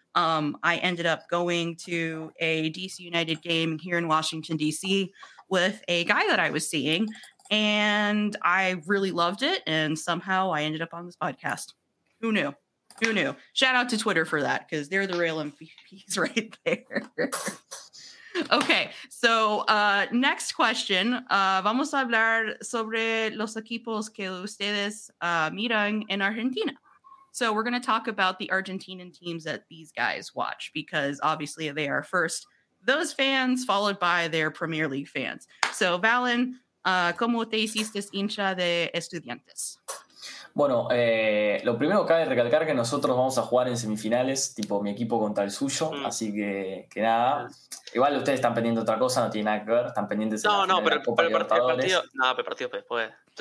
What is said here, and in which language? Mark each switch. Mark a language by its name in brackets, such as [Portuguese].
[English] I ended up going to a DC United game here in Washington, DC with a guy that I was seeing and I really loved it. And somehow I ended up on this podcast. Who knew? Who knew? Shout out to Twitter for that, because they're the real MVPs right there. Okay, so next question. [Spanish] Vamos a hablar sobre los equipos que ustedes miran en Argentina. [English] So we're going to talk about the Argentinian teams that these guys watch, because obviously they are first those fans, followed by their Premier League fans. So [Spanish] Valen, ¿cómo te hiciste hincha de Estudiantes? Bueno, lo primero que cabe recalcar que nosotros vamos a jugar en semifinales, tipo mi equipo contra el suyo, así que nada. Igual ustedes están pendientes de otra cosa, no tiene nada que ver, están pendientes de la final de la Copa Libertadores. Pero el partido después.